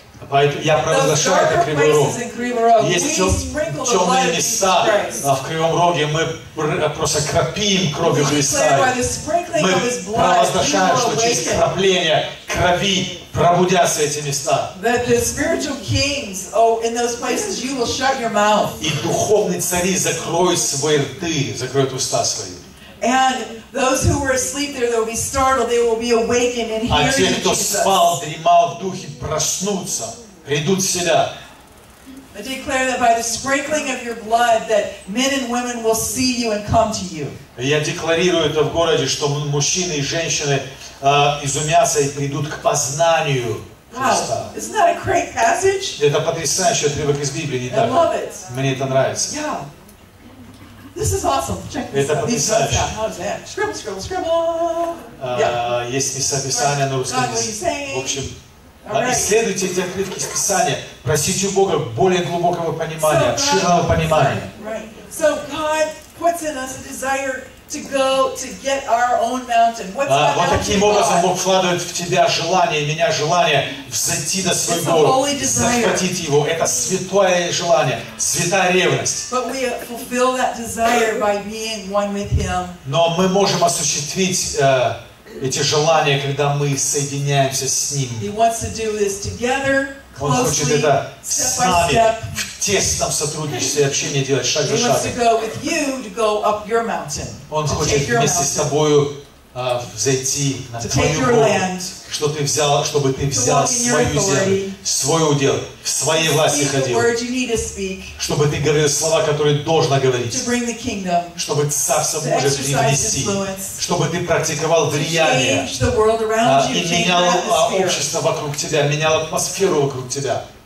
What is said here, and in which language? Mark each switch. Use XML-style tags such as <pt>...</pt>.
<ru>Поэтому я провозглашаю это Кривой Рог. Есть темные места в Кривом Роге, мы просто кропим кровью Христа. Мы провозглашаем, что через кропление крови пробудятся эти места. И духовные цари закроют свои рты, закроют уста свои.</ru> <en>And those who were asleep there, they will be startled, they will be awakened and hear Jesus.</en> <ru>А те, кто спал, дремал в духе, проснутся, придут в себя.</ru> <en>I declare that by the sprinkling of your blood, that men and women will see you and come to you.</en> <ru>Я декларирую это в городе, что мужчины и женщины изумятся и придут к познанию Христа.</ru> <en>Wow, isn't that a great passage?</en> <ru>Это потрясающий отрывок из Библии, не так?</ru> <en>I love it.</en> <ru>Мне это нравится.</ru> <en>Yeah. This is awesome. Check this out. These notes out. How is that? Scribble, scribble, scribble.</en> <ru>Есть места Писания на русском. В общем, исследуйте эти открытки из Писания. Просите у Бога более глубокого понимания, обширного понимания.</ru> <en>So God puts in us a desire to go to get our own mountain. What's that mountain?</en> <ru>Вот таким образом Бог вкладывает в тебя желание, меня желание взойти на свой гору, захватить его. Это святое желание, святая ревность.</ru> <en>But we fulfill that desire by being one with Him.</en> <ru>Но мы можем осуществить эти желания, когда мы соединяемся с Ним.</ru> <en>He wants to do this together.</en> <ru>Он хочет это с нами в тесном сотрудничестве и общении делать шаг за шагом. Он хочет вместе с тобою взойти на твою гору, что ты взял, чтобы ты взял свою землю, свой удел, в своей власти ходил, чтобы ты говорил слова, которые должен говорить, чтобы Царство Божие принести, чтобы ты практиковал влияние и менял общество вокруг тебя, менял атмосферу вокруг тебя.</ru>